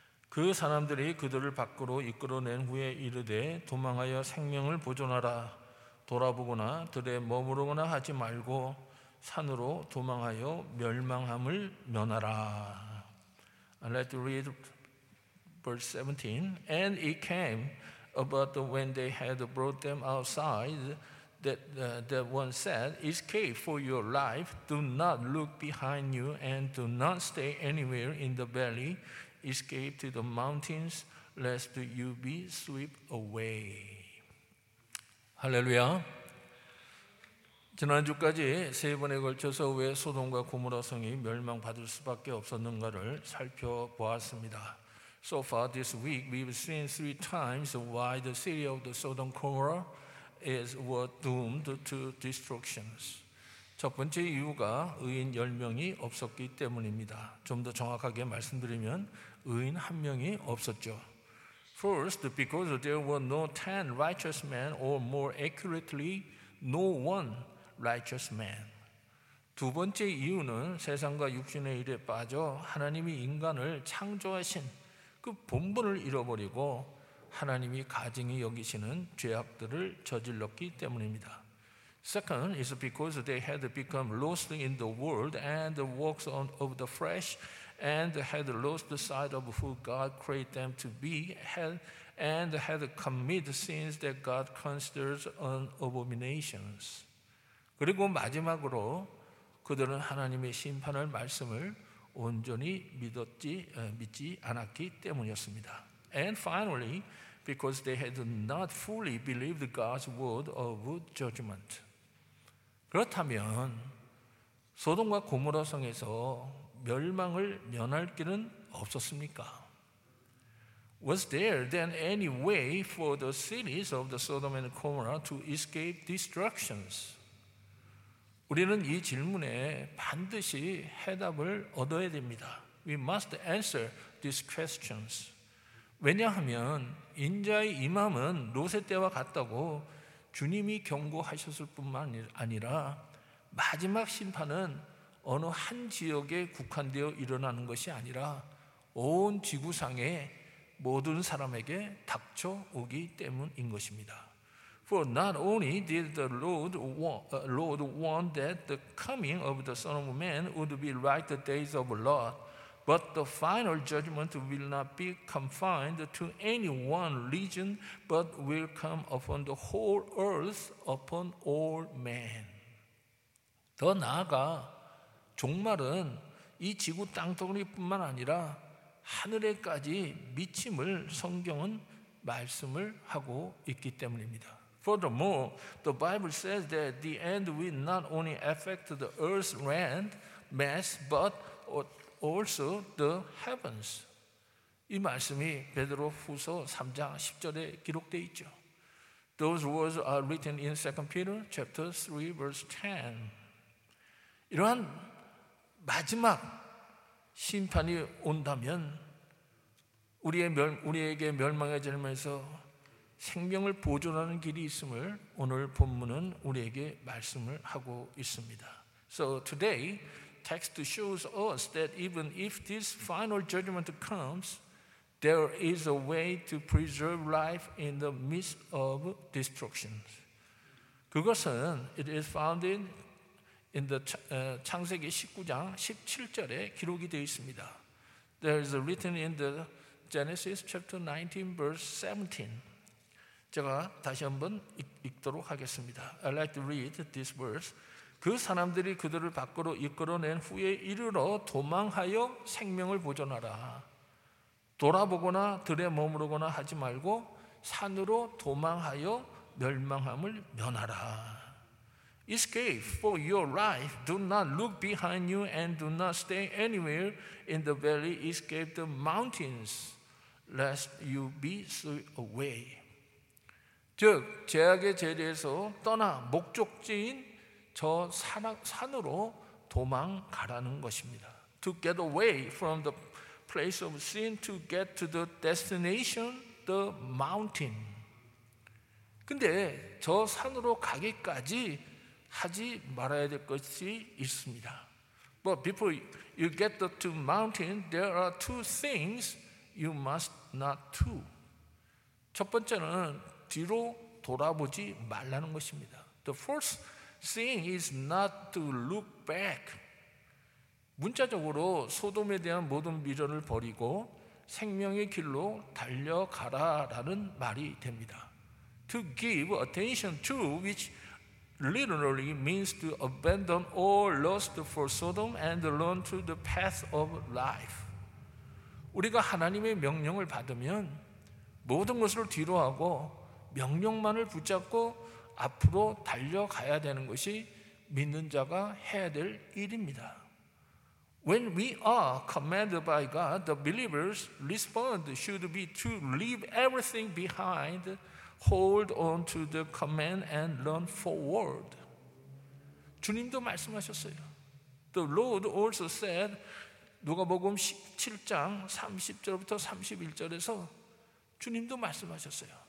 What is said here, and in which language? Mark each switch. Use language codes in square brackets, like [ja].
[ko] 그 사람들이 그들을 밖으로 이끌어낸 후에 이르되 도망하여 생명을 보존하라. 돌아보거나 들에 머무르거나 하지 말고 산으로 도망하여 멸망함을 면하라. [en] I'd like to read verse 17. And it came about when they had brought them outside that that one said, Escape for your life. Do not look behind you and do not stay anywhere in the valley. Escape to the mountains lest you be swept away. [ko] 할렐루야. 지난주까지 세 번에 걸쳐서 왜 소돔과 고모라 성이 멸망받을 수밖에 없었는가를 살펴보았습니다. [en] So far this week we've seen three times why the city of the Sodom Gomorrah is were doomed to destruction. [ko] 첫 번째 이유가 의인 10명이 없었기 때문입니다. 좀 더 정확하게 말씀드리면 의인 한 명이 없었죠. [en] First, because there were no 10 righteous men, or more accurately, no one righteous man. [ko] 두 번째 이유는 세상과 육신의 일에 빠져 하나님이 인간을 창조하신 그 본분을 잃어버리고 하나님이 가증히 여기시는 죄악들을 저질렀기 때문입니다. [en] Second, is because they had become lost in the world and the works of the flesh and had lost the sight of who God created them to be and had committed sins that God considers an abomination. [ko] 그리고 마지막으로 그들은 하나님의 심판을 말씀을 온전히 믿지 않았기 때문이었습니다. [en] And finally, because they had not fully believed God's word of judgment. [ko] 그렇다면 소돔과 고모라 성에서 멸망을 면할 길은 없었습니까? [en] Was there then any way for the cities of the Sodom and Gomorrah to escape destructions? [ko] 우리는 이 질문에 반드시 해답을 얻어야 됩니다. [en] We must answer these questions. [ko] 왜냐하면 인자의 임함은 로세 때와 같다고 주님이 경고하셨을 뿐만 아니라 마지막 심판은 어느 한 지역에 국한되어 일어나는 것이 아니라 온 지구상에 모든 사람에게 닥쳐오기 때문인 것입니다. [en] For not only did the Lord warn that the coming of the Son of Man would be like the days of Lot, but the final judgment will not be confined to any one region, but will come upon the whole earth, upon all men. [ko] 더 나아가 종말은 이 지구 땅덩어리뿐만 아니라 하늘에까지 미침을 성경은 말씀을 하고 있기 때문입니다. [en] Furthermore, the Bible says that the end will not only affect the earth's land mass, but also the heavens. [ko] 이 말씀이 베드로 후서 3장 10절에 기록되어 있죠. [en] Those words are written in 2 Peter chapter 3, verse 10. [ko] 이러한 마지막 심판이 온다면 우리에게 멸망의 젊에서 생명을 보존하는 길이 있음을 오늘 본문은 우리에게 말씀을 하고 있습니다. [en] So today, text shows us that even if this final judgment comes, there is a way to preserve life in the midst of destruction. [ko] 그것은 [en] it is found in the [ko] 창세기 19장 17절에 기록이 되어 있습니다. [en] There is written in the Genesis chapter 19 verse 17. [ko] 제가 다시 한번 읽도록 하겠습니다. [en] I'd like to read this verse. [ko] 그 사람들이 그들을 밖으로 이끌어낸 후에 이르러 도망하여 생명을 보존하라. 돌아보거나 들에 머무르거나 하지 말고 산으로 도망하여 멸망함을 면하라. [en] Escape for your life. Do not look behind you and do not stay anywhere in the valley. Escape the mountains lest you be swept away. [ko] 즉 제약의 제리에서 떠나 목적지인 저 산으로 도망가라는 것입니다. [en] To get away from the place of sin to get to the destination, the mountain. [ko] 근데 저 산으로 가기까지 하지 말아야 될 것이 있습니다. [en] But before you get to the mountain, there are two things you must not do. [ko] 첫 번째는 뒤로 돌아보지 말라는 것입니다. [en] The first thing is not to look back. [ko] 문자적으로 소돔에 대한 모든 미련을 버리고 생명의 길로 달려가라라는 말이 됩니다. [en] To give attention to, which literally means to abandon all lust for Sodom and run to the path of life. [ko] 우리가 하나님의 명령을 받으면 모든 것을 뒤로하고 명령만을 붙잡고 앞으로 달려가야 되는 것이 믿는 자가 해야 될 일입니다. [en] When we are commanded by God, the believer's response should be to leave everything behind, hold on to the command and run forward. [ko] 주님도 말씀하셨어요. [en] The Lord also said, [ko] 누가복음 17장 30절부터 31절에서 주님도 말씀하셨어요.